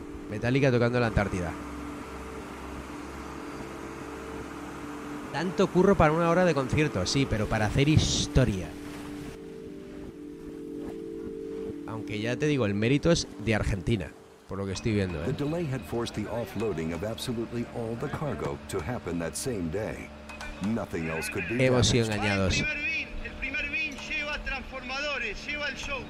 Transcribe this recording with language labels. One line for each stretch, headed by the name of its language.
Spanish: Metallica tocando la Antártida. Tanto curro para una hora de concierto, sí, pero para hacer historia. Que ya te digo, el mérito es de Argentina, por lo que estoy viendo, ¿eh?
English: The delay had forced the offloading of absolutely all the cargo to happen that same day. Nothing else could be done.
Spanish: Hemos sido engañados. El primer bin lleva transformadores, lleva el show.